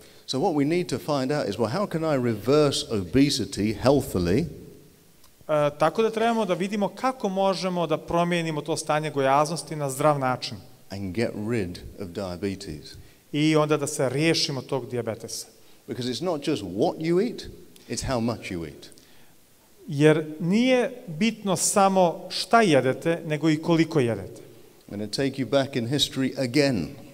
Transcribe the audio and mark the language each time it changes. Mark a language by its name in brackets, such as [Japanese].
[English] So what we need to find out is, well, how can I reverse obesity healthily? [Bosnian] Tako da trebamo da vidimo kako možemo da promijenimo to stanje gojaznosti na zdrav način. [English] And get rid of diabetes. [Bosnian] I onda da se riješimo tog dijabetesa. [English] Because it's not just what you eat, it's how much you eat. [Bosnian] Jer nije bitno samo šta jedete, nego i koliko jedete. [English] I'm going to take you back in history again.